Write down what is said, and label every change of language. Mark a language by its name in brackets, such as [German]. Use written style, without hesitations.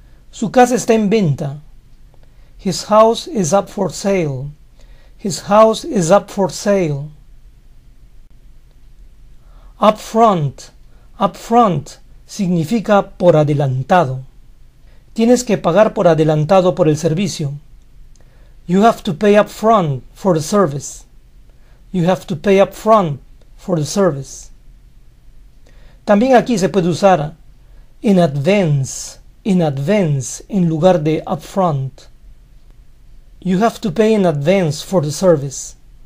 [Spanish] Su casa está en venta. [English] His house is up for sale. His house is up for sale. [Spanish] Up front significa por adelantado. Tienes que pagar por adelantado por el servicio. [English] You have to pay up front for the service. You have to pay up front for the service. [Spanish] También aquí se puede usar in advance en lugar de up front. [English] You have to pay in advance for the service.